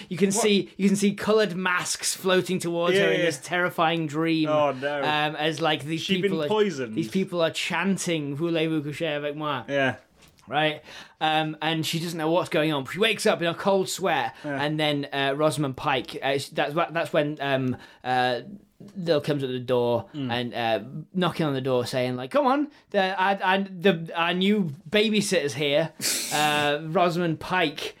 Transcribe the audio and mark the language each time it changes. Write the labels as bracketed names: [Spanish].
[English] You can see coloured masks floating towards her in this terrifying dream. Oh no. As like these She'd people been are, poisoned. These people are chanting [French] "Voulez-vous coucher avec moi?" [English] Yeah. Right? And she doesn't know what's going on. She wakes up in a cold sweat and then Rosamund Pike that's when Lil comes at the door and knocking on the door saying like, "Come on, our new babysitter's here, Rosamund Pike."